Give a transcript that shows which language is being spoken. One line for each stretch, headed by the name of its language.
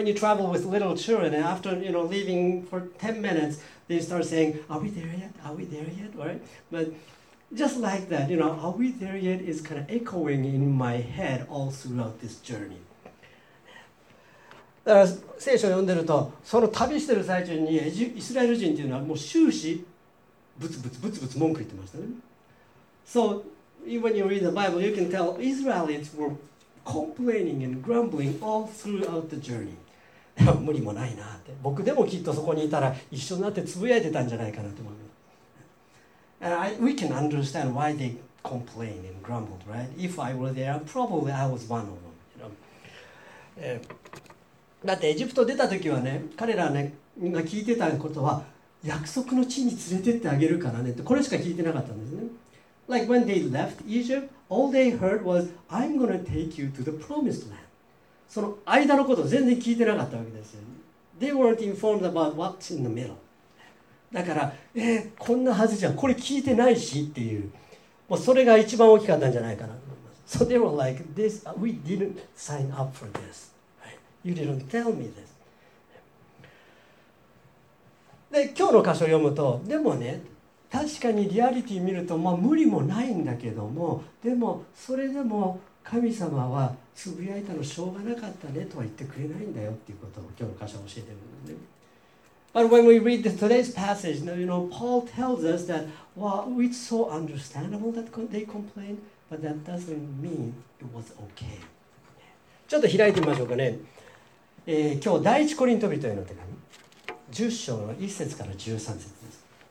English: When you travel with little children, after you know leaving for 10 minutes, they start saying, "Are we there yet? Are we there yet?" Right? But just like that, you know, are we there yet? Is kind of echoing in my head all throughout this journey.
Japanese: だから聖書を読んでると、その旅してる最中にイスラエル人っていうのはもう終始ブツブツブツブツ文句言ってましたね。
English: So when you read the Bible, you can tell Israelites were complaining and grumbling all throughout the journey.
Japanese: 無理もないなって、僕でもきっとそこにいたら一緒になってつぶやいてたんじゃないかなと思う。
English: And we can understand why they complained and grumbled, right? If I were there, probably I was one of them. You know?
Japanese: だってエジプト出た時はね、彼らね、が聞いてたことは、約束の地に連れてってあげるからねって、これしか聞いてなかったんですね。
English: Like when they left Egypt, all they heard was, I'm going to take you to the promised land.
Japanese: その間のこと全然聞いてなかったわけですよ。
English: They weren't informed about what's in the middle.
Japanese: だから、こんなはずじゃん、これ聞いてないしっていう、もうそれが一番大きかったんじゃないかなと思います。
English: So they were like, this, we didn't sign up for this. You didn't tell me this.
Japanese: で、今日の箇所を読むと、でもね、確かにリアリティ見ると、まあ、無理もないんだけども、でもそれでも神様はつぶやいたのしょうがなかったねとは言ってくれないんだよっていうことを今日の箇所教えてるんだね。
English: But when we read today's passage, you know, Paul tells us that, well, it's so understandable that they complained, but that doesn't mean it was okay.
Japanese: ちょっと開いてみましょうかね。今日第一コリント人への手紙10章の1節から13節です。